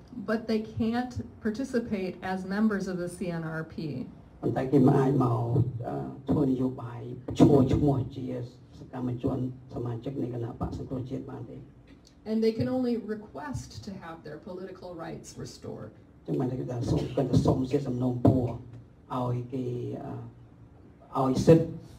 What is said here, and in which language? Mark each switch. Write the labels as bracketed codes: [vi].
[en] But they can't participate as members of the CNRP. [km] ប៉ុន្តែគេមិនអាចមកធ្វើនយោបាយឈោះឈ្មោះជាសកម្មជនសមាជិកនៃគណៈបក្សសង្គ្រោះជាតិបានទេ [en] And they can only request to have their political rights restored. [km] ចាំតែគេដល់សុំគេទៅសុំជាសំណូមពរឲ្យគេឲ្យសិទ្ធិ